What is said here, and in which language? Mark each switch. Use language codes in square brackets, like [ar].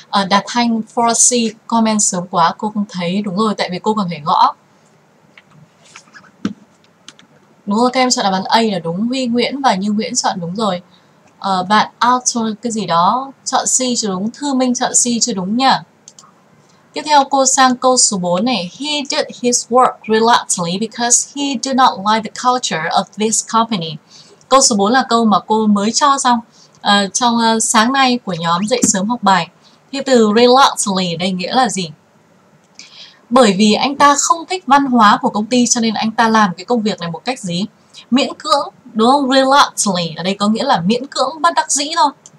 [vi] Đạt Thanh 4C comment sớm quá, cô không thấy. Đúng rồi, tại vì cô còn phải gõ. Đúng rồi, các em chọn đáp án A là đúng. Huy Nguyễn và Như Nguyễn chọn đúng rồi. Bạn author cái gì đó chọn C chưa đúng, Thư Minh chọn C chưa đúng nhỉ. Tiếp theo cô sang câu số 4 này. [en] He did his work reluctantly because he did not like the culture of this company. [vi] Câu số 4 là câu mà cô mới cho xong trong sáng nay của nhóm dậy sớm học bài. Thì từ reluctantly đây nghĩa là gì? Bởi vì anh ta không thích văn hóa của công ty cho nên anh ta làm cái công việc này một cách gì? Miễn cưỡng, đúng không? Reluctantly ở đây có nghĩa là miễn cưỡng, bất đắc dĩ thôi.